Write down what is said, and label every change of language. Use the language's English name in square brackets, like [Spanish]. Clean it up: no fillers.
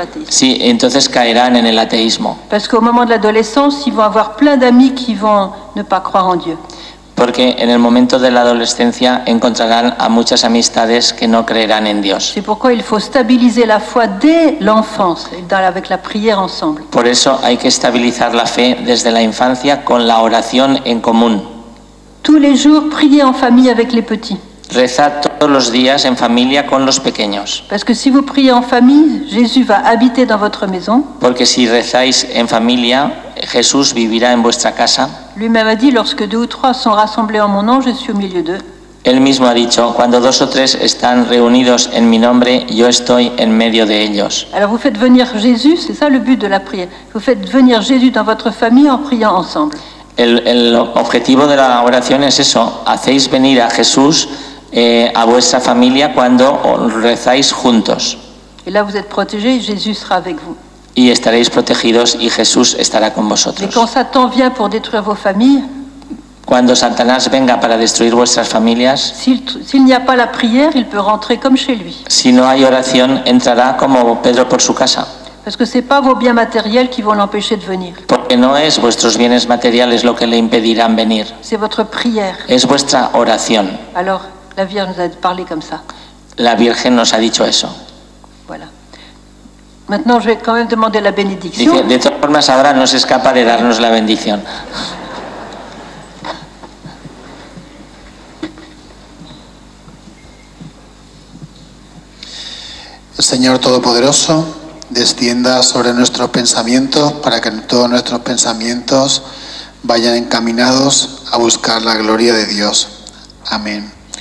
[Spanish] Sí, entonces caerán en el ateísmo. [French] Parce qu'au moment de l'adolescence, ils vont avoir plein d'amis qui vont ne pas croire en Dieu. [Spanish] Porque en el momento de la adolescencia encontrarán a muchas amistades que no creerán en Dios. [French] C'est pourquoi il faut stabiliser la foi dès l'enfance avec la prière ensemble. [Spanish] Por eso hay que estabilizar la fe desde la infancia con la oración en común. [French] Tous les jours prier en famille avec les petits. [Spanish] Reza todos los días en familia con los pequeños. [French] Parce que si vous priez en famille, Jésus va habiter dans votre maison. [Spanish] Porque si rezáis en familia, Jesús vivirá en vuestra casa. [French] Lui-même a dit, lorsque deux ou trois sont rassemblés en mon nom, je suis au milieu d'eux. [Spanish] Él mismo ha dicho, cuando dos o tres están reunidos en mi nombre, yo estoy en medio de ellos. [French] Alors vous faites venir Jésus, c'est ça le but de la prière. Vous faites venir Jésus dans votre famille en priant ensemble. [Spanish] El objetivo de la oración es eso, hacéis venir a Jesús a vuestra familia cuando rezáis juntos. [French] Et là vous êtes protégés, Jésus sera avec vous. [Spanish] Y estaréis protegidos y Jesús estará con vosotros. [French] Mais quand Satan vient pour détruire vos familles, [Spanish] cuando Satanás venga para destruir vuestras familias, [French] s'il n'y a pas la prière, il peut rentrer comme chez lui. [Spanish] Si no hay oración, entrará como Pedro por su casa. [French] Parce que c'est pas vos biens matériels qui vont l'empêcher de venir. [Spanish] Porque no es vuestros bienes materiales lo que le impedirán venir. [French] C'est votre prière. [Spanish] Es vuestra oración. [French] Alors, la Vierge nous a parlé comme ça. [Spanish] La Virgen nos ha dicho eso. [French] Voilà. Maintenant, je vais quand même demander la bénédiction. [Spanish] Dice, de todas formas, ahora no se escapa de darnos la bendición. Señor Todopoderoso, descienda sobre nuestros pensamientos para que todos nuestros pensamientos vayan encaminados a buscar la gloria de Dios. Amén.